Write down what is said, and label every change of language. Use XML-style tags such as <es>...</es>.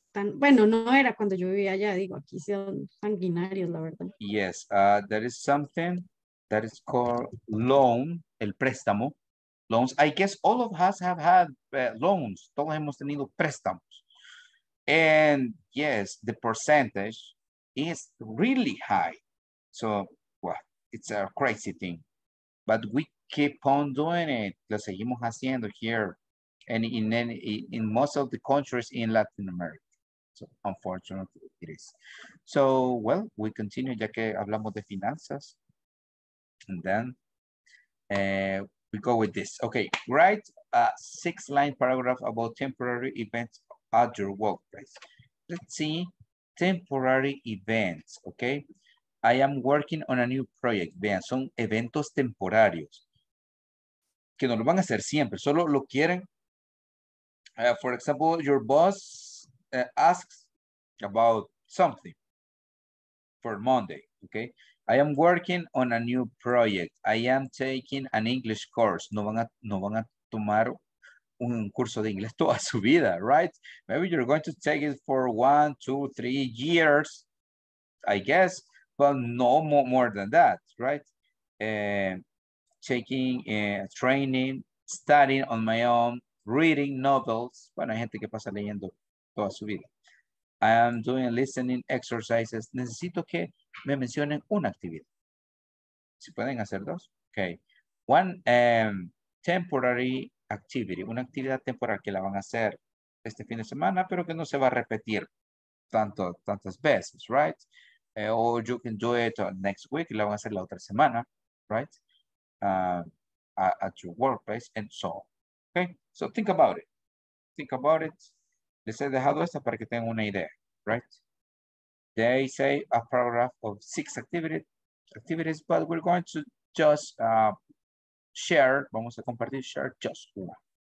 <es>Bueno, no era cuando yo vivía allá, digo, aquí son sanguinarios, la verdad.</es> <en>Yes, there is something that is called loan,</en> <es>el préstamo.</es> <en>Loans, I guess all of us have had loans,</en> <es>todos hemos tenido préstamos.</es> <en>And yes, the percentage is really high. So, well, it's a crazy thing. But we keep on doing it,</en> <es>lo seguimos haciendo</es> <en>here. And in most of the countries in Latin America. Unfortunately, it is. So, well, we continue,</en> <es>ya que hablamos de finanzas.</es> <en>And then we go with this. Okay, write a 6-line paragraph about temporary events at your workplace. Let's see, temporary events, okay? I am working on a new project.</en> <es>Vean, son eventos temporarios. Que no lo van a hacer siempre, solo lo quieren.</es> <en>For example, your boss asks about something for Monday, okay? I am working on a new project. I am taking an English course.</en> <es>No van a tomar un curso de inglés toda su vida, right?</es> <en>Maybe you're going to take it for 1, 2, 3 years, I guess, but no more than that, right? Taking training, studying on my own, reading novels.</en> <es>Bueno, hay gente que pasa leyendo toda su vida.</es> <en>I am doing listening exercises.</en> <es>Necesito que me mencionen una actividad. Si pueden hacer dos. Okay.</es> <en>One temporary activity.</en> <es>Una actividad temporal que la van a hacer este fin de semana, pero que no se va a repetir tantas veces, right?</es> <en>Or you can do it next week.</en> <es>La van a hacer la otra semana,</es> <en>right? At your workplace and so on. Okay. So think about it. Think about it.</en> <es>Les he dejado esta para que tengan una idea.</es> <en>Right? They say a paragraph of 6 activities, but we're going to just share,</en> <es>vamos a compartir,</es> <en>share just one.</en>